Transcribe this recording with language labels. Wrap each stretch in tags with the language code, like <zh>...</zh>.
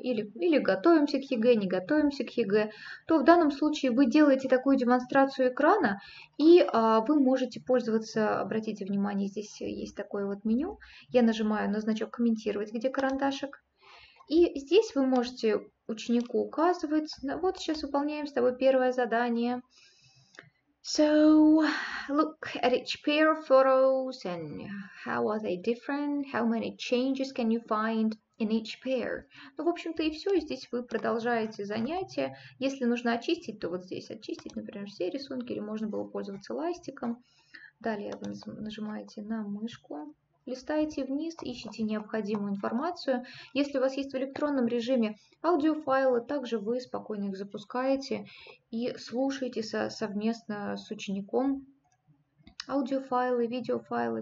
<ru>Или готовимся к ЕГЭ, не готовимся к ЕГЭ. То в данном случае вы делаете такую демонстрацию экрана, и вы можете пользоваться, обратите внимание, здесь есть такое вот меню. Я нажимаю на значок «Комментировать», где карандашик. И здесь вы можете ученику указывать. Ну, вот сейчас выполняем с тобой первое задание.</ru> <en>So, look at each pair of photos and how are they different? How many changes can you find in each pair?</en> <ru>Ну, в общем-то, и все. Здесь вы продолжаете занятие. Если нужно очистить, то вот здесь очистить, например, все рисунки, или можно было пользоваться ластиком. Далее вы нажимаете на мышку. Листаете вниз, ищите необходимую информацию. Если у вас есть в электронном режиме аудиофайлы, также вы спокойно их запускаете и слушаете совместно с учеником аудиофайлы, видеофайлы.</ru>